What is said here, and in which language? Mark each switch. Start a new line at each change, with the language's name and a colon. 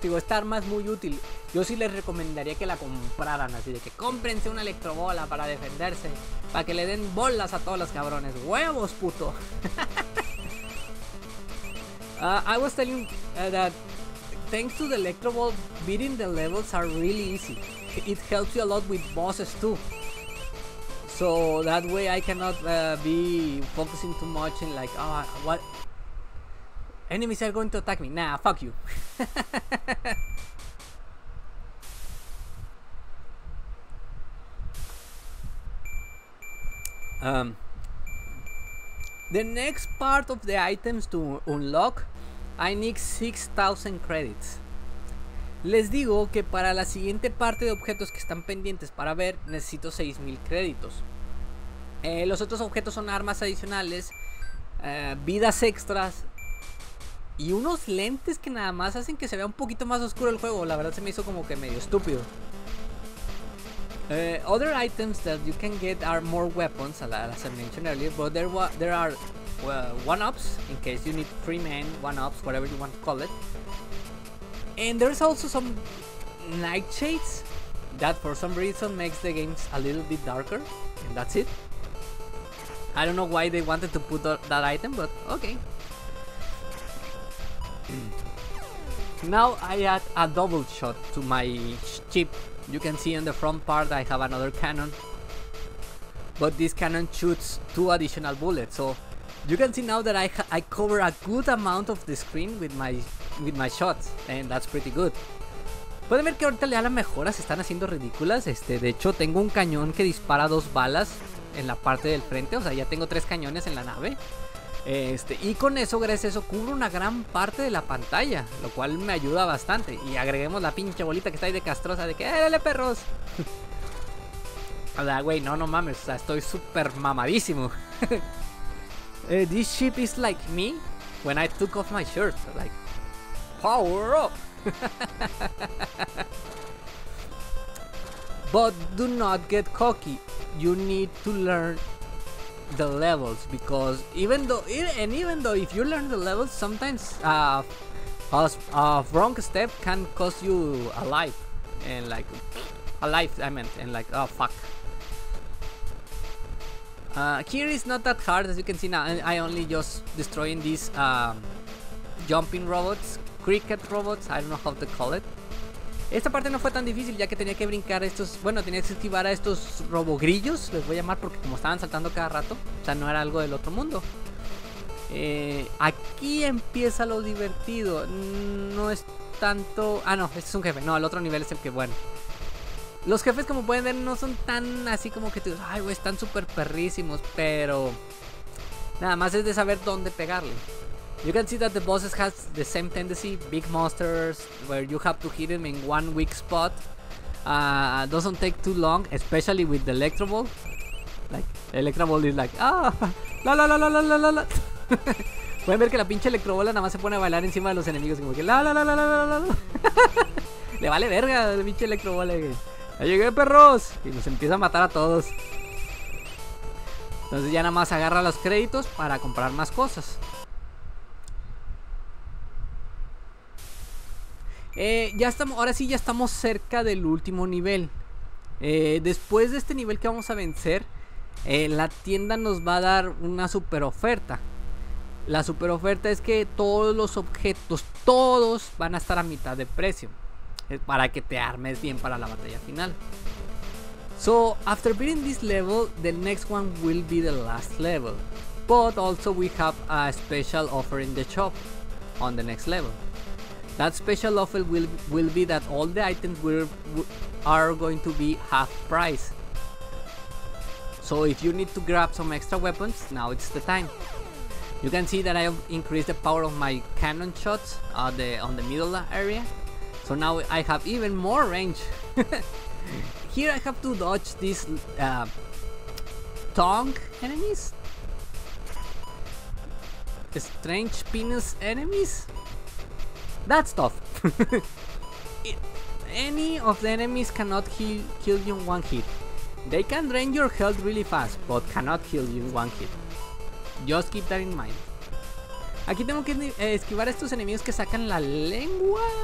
Spanish: Digo, esta arma es muy útil. Yo sí les recomendaría que la compraran, así de que cómprense una electrobola para defenderse, para que le den bolas a todos los cabrones. ¡Huevos, puto!
English: I was telling that thanks to the electroball, beating the levels are really easy. It helps you a lot with bosses too. So that way I cannot be focusing too much in like, oh, what? Enemies are going to attack me. Nah, fuck you. The next part of the items to unlock, I need 6,000 credits.
Spanish: Les digo que para la siguiente parte de objetos que están pendientes para ver, necesito 6,000 créditos. Los otros objetos son armas adicionales, vidas extras y unos lentes que nada más hacen que se vea un poquito más oscuro el juego. La verdad se me hizo como que medio estúpido.
English: Other items that you can get are more weapons, as I mentioned earlier, but there are one-ups, in case you need free men, one-ups, whatever you want to call it. And there's also some nightshades that for some reason makes the games a little bit darker, and that's it. I don't know why they wanted to put that item, but okay. Now I add a double shot to my ship. You can see in the front part I have another cannon, but this cannon shoots two additional bullets. So you can see now that I cover a good amount of the screen with my with my shots, and that's pretty good.
Spanish: Pueden ver que ahorita ya las mejoras están haciendo ridículas. De hecho, tengo un cañón que dispara dos balas en la parte del frente. O sea, ya tengo tres cañones en la nave. Y con eso, gracias a eso, cubro una gran parte de la pantalla, lo cual me ayuda bastante. Y agreguemos la pinche bolita que está ahí de castrosa, de que dale perros. O sea, güey, no mames, o sea, estoy súper mamadísimo.
English: This ship is like me when I took off my shirt, like power up. But do not get cocky. You need to learn the levels, because even though if you learn the levels, sometimes a wrong step can cost you a life, and like a life, I meant, and like, oh fuck. Here is not that hard, as you can see now. I only just destroying these jumping robots, cricket robots, I don't know how to call it.
Spanish: Esta parte no fue tan difícil, ya que tenía que brincar estos, bueno, tenía que esquivar a estos robogrillos, les voy a llamar, porque como estaban saltando cada rato, o sea, no era algo del otro mundo. Aquí empieza lo divertido. No es tanto, este es un jefe, no, el otro nivel es el que, bueno. Los jefes, como pueden ver, no son tan así como que te digo, ay, güey, están súper perrísimos, pero nada más es de saber dónde pegarle.
English: You can see that the bosses has the same tendency, big monsters, where you have to hit them in one weak spot. Doesn't take too long, especially with the Electro Ball. Like, Electro Ball is like, ah, la la la la la la la la.
Spanish: Pueden ver que la pinche Electro Ball nada más se pone a bailar encima de los enemigos, como que la la la la la la la la. Le vale verga el pinche Electro Ball, ¡ya llegué, perros! Y nos empieza a matar a todos. Entonces ya nada más agarra los créditos para comprar más cosas. Ya estamos, ahora sí ya estamos cerca del último nivel. Después de este nivel que vamos a vencer, la tienda nos va a dar una super oferta. La super oferta es que todos los objetos, todos van a estar a mitad de precio, para que te armes bien para la batalla final.
English: So, after beating this level, the next one will be the last level. But also we have a special offer in the shop on the next level. That special offer will be that all the items are going to be half price. So if you need to grab some extra weapons, now it's the time. You can see that I have increased the power of my cannon shots on the middle area. So now I have even more range. Here I have to dodge these tongue enemies, strange penis enemies. That's tough. Any of the enemies cannot kill you in one hit. They can drain your health really fast, but cannot kill you in one hit. Just keep that in mind.
Spanish: Aquí tengo que esquivar a estos enemigos que sacan la lengua.